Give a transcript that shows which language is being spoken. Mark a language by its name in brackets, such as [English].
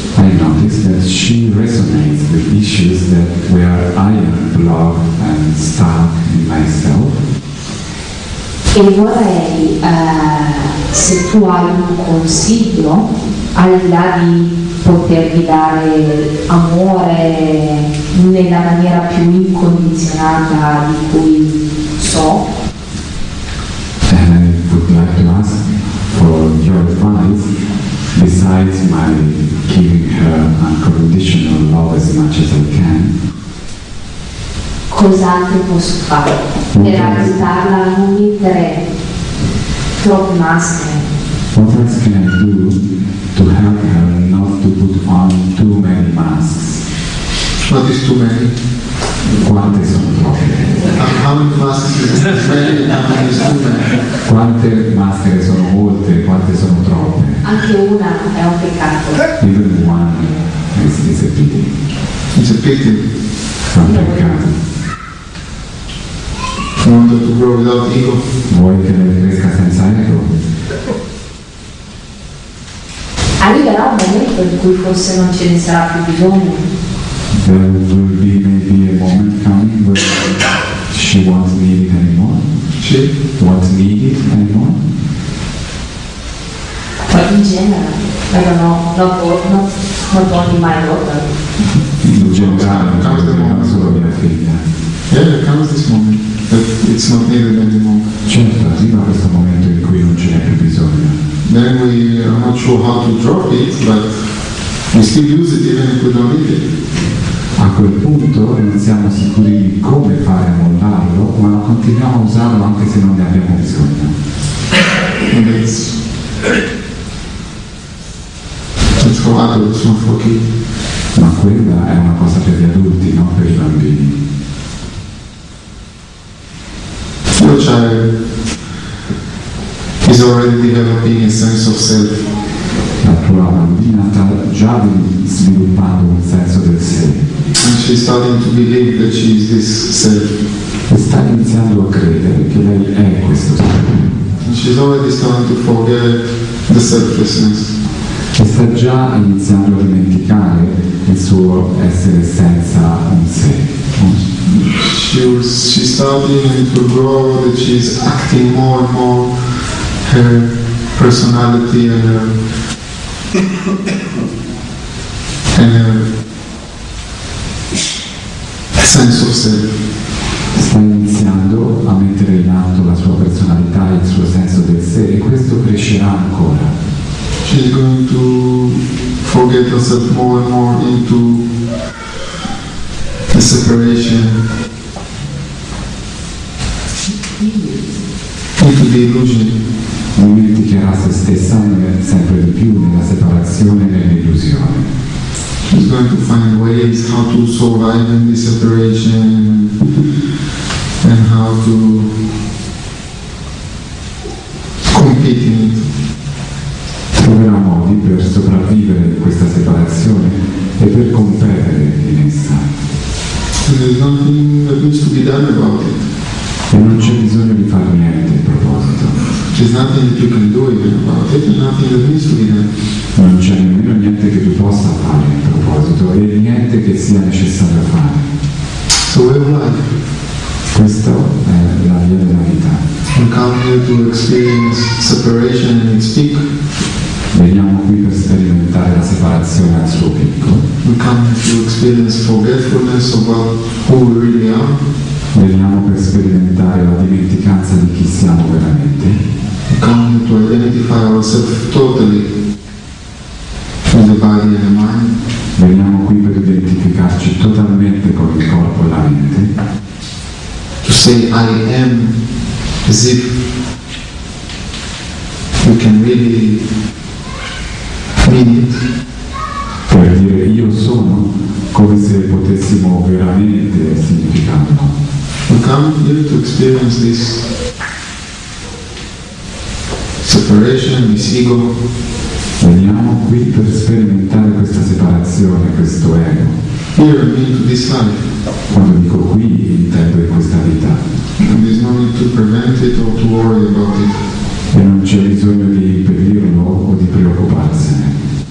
[English] I notice that she resonates with issues that where I am blocked and stuck in myself. [Italian] E vorrei, se tu hai un consiglio, al di là di potervi dare amore nella maniera più incondizionata di cui so. [English] And I would like to ask for your advice, besides my giving her unconditional love as much as I can. [Italian] Cos'altro posso fare per aiutarla a non mettere troppe maschere? [English] What else can I do to help her not to put on too many masks? What is too many? [Italian] Quante sono troppe? [English] How many masks is too many? [Italian] Quante maschere sono molte? Quante sono troppe? Anche una è un peccato. [English] Even one is a pity. It's a pity. [Italian] Un peccato. [English] Non do tu grow without ego. [Italian] Vuoi che lei cresca senza ego? Arriverà un momento in cui forse non ce ne sarà più bisogno. [English] There will be maybe a moment coming where she won't need it anymore. She won't need it anymore. But in general, I don't know, not only my daughter. In general, non comes the moment [Italian] solo mia figlia. [English] Yeah, comes this moment. It's not needed anymore. [Italian] Certo, arriva questo momento in cui non ce n'è più bisogno. [English] Then we are not sure how to drop it, but we still use it even if we don't need it. [Italian] A quel punto non siamo sicuri di come fare a mollarlo, ma continuiamo a usarlo anche se non ne abbiamo bisogno. [English] And it's for adults, not for kids. [Italian] ma quella è una cosa per gli adulti, non per i bambini. [English] Your child is already developing a sense of self. [Italian] La tua bambina sta già sviluppando un senso del sé. [English] And she's starting to believe that she is this self. [Italian] E sta iniziando a credere che lei è questo sé. [English] And she's already starting to forget the selflessness. [Italian] E sta già iniziando a dimenticare il suo essere senza un sé. [English] She's starting to grow that she's acting more and more her personality and her sense of self. [Italian] Sta iniziando a mettere in atto la sua personalità e il suo senso del sé, e questo crescerà ancora. [English] She's going to forget herself more and more into the separation, into the illusion. [Italian] Dimenticherà se stessa sempre di più nella separazione e nell'illusione. [English] She's going to find ways how to survive in this separation and how to compete in it. [Italian] Troverà modi per sopravvivere in questa separazione e per competere in essa. [English] And there's nothing that needs to be done about it. [Italian] E non c'è bisogno di fare niente in proposito. [English] There's nothing that you can do even about it, and nothing that needs to be done. [Italian] Non c'è nemmeno niente che tu possa fare in proposito e niente che sia necessario fare. [English] So way of life. [Italian] Questa è la via della vita. [English] We come here to experience separation in its peak. [Italian] Veniamo qui per sperimentare la separazione al suo picco. [English] We come here to experience forgetfulness about who we really are. [Italian] Veniamo per sperimentare la dimenticanza di chi siamo veramente. [English] We come to identify ourselves totally with the body and the mind. [Italian] Veniamo qui per identificarci totalmente con il corpo e la mente. [English] To say I am as if we can really mean it. [Italian] Per dire io sono, come se potessimo veramente significarlo. [English] We come here to experience this separation, this ego. [Italian] Veniamo qui per sperimentare questa separazione, questo ego. [English] Here I mean to this life. [Italian] Quando dico qui, intendo in questa vita. [English] And there's no need to prevent it or to worry about it. [Italian] E non c'è bisogno di impedirlo o di preoccuparsene.